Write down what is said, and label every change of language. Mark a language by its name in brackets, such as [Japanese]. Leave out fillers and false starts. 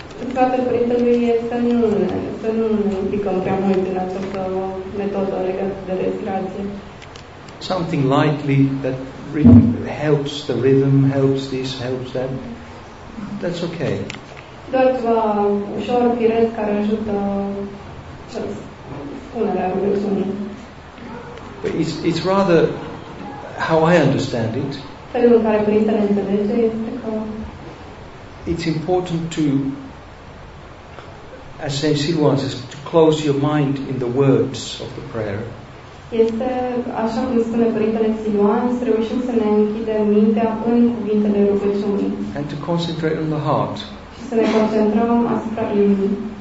[Romanian] Sfatul părintelui e să nu ne implicăm prea mult în această metodă legată de respirație. [English] Something lightly that helps the rhythm, helps this, helps that. That's okay. [Romanian] Doar ceva ușor, firesc, care ajută punerea rugăciunii. [English] It's rather how I understand it. [Romanian] Felul în care părintele înțelege este că [English] it's important to, as Saint Silvan says, to close your mind in the words of the prayer. [Romanian] Este așa cum spune părintele Silvan, să reușim să ne închidem mintea în cuvintele rugăciunii. [English] And to concentrate on the heart. [Romanian] Și să ne concentrăm asupra inimii.